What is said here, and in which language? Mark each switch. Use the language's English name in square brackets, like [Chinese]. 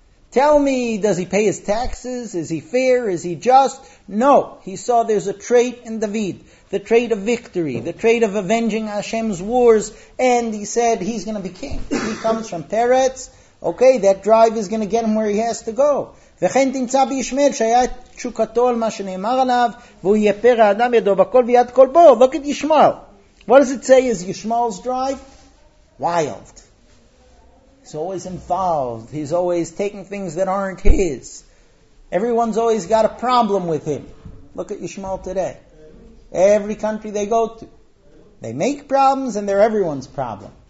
[English] Tell me, does he pay his taxes? Is he fair? Is he just? No. He saw there's a trait in David. The trait of victory, the trait of avenging Hashem's wars, and he said he's going to be king. He comes from Peretz. Okay, that drive is going to get him where he has to go. [Hebrew] וכן תמצא בישמעאל שהיה תשוקתו על מה שנאמר עליו, והוא יהיה פרא אדם ידו בכל ויד כל בו. [English] Look at Yishmael. What does it say is Yishmael's drive? Wild. He's always involved. He's always taking things that aren't his. Everyone's always got a problem with him. Look at Yishmael today. Every country they go to, they make problems and they're everyone's problem.